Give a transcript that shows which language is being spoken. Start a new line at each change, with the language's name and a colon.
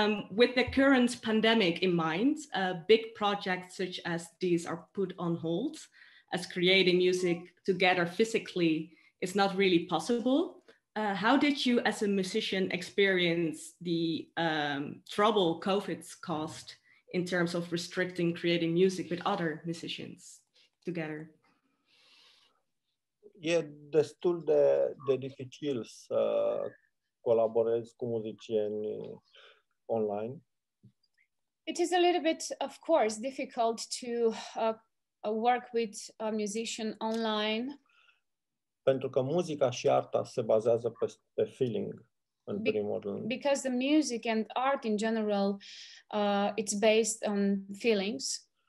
English: With the current pandemic in mind, big projects such as these are put on hold, as creating music together physically is not really possible. How did you as a musician experience the trouble COVID's caused in terms of restricting creating music with other musicians together?
Romanian: E destul de dificil să colaborezi cu muzicieni online.
English: It is a little bit, of course, difficult to work with a musician online.
Romanian: Pentru că muzica și arta se bazează pe feeling.
English: and primordial. Because the music and art in general, it's based on feelings.